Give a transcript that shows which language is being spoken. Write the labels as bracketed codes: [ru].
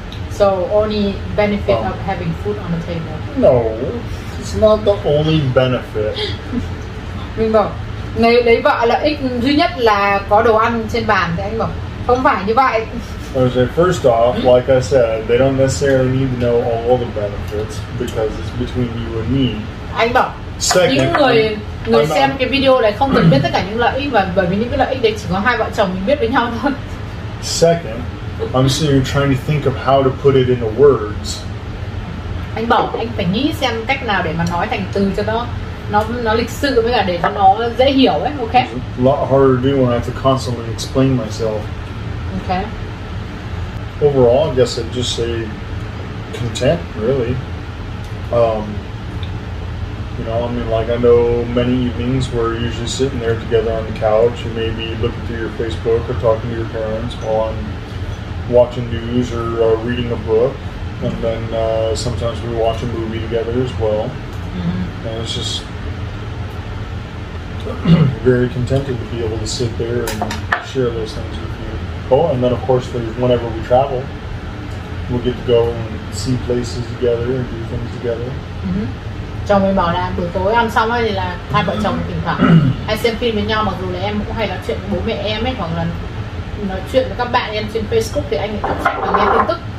[en] So only benefit of having food on the table. No, it's not the only benefit. [vi] Mình bảo lấy vợ lợi ích duy nhất là có đồ ăn trên bàn, thì anh bảo không phải như vậy. [en] Okay, first off, like I said, they don't necessarily need to know all the benefits because it's between you and me. [vi] Anh bảo [en] second, [vi] những người [en] I'm [vi] xem [en] not... [vi] cái video này không cần biết tất cả những lợi ích, và bởi vì những cái lợi ích đấy chỉ có hai vợ chồng mình biết với nhau thôi. [en] Second, I'm sitting here trying to think of how to put it into words. [vi] Anh bảo anh phải nghĩ xem cách nào để mà nói thành từ cho nó lịch sự với cả để cho nó dễ hiểu ấy. [en] Okay. It's a lot harder to do when I have to constantly explain myself. Okay. Overall, I guess I'd just say content, really. You know, I mean, like, I know many evenings where you're usually sitting there together on the couch, you may be looking through your Facebook or talking to your parents while I'm watching news or reading a book, and then sometimes we watch a movie together as well. Mm-hmm. And it's just very contented to be able to sit there and share those things with you. Oh, and then of course, whenever we travel, we'll get to go and see places together and do things together. Mm-hmm. [vi] Chồng mình bảo là buổi tối ăn xong ấy thì là hai vợ chồng thỉnh thoảng hay xem phim với nhau, mặc dù là em cũng hay nói chuyện với bố mẹ em ấy, hoặc là nói chuyện với các bạn em trên Facebook thì anh ấy đọc sách và nghe tin tức.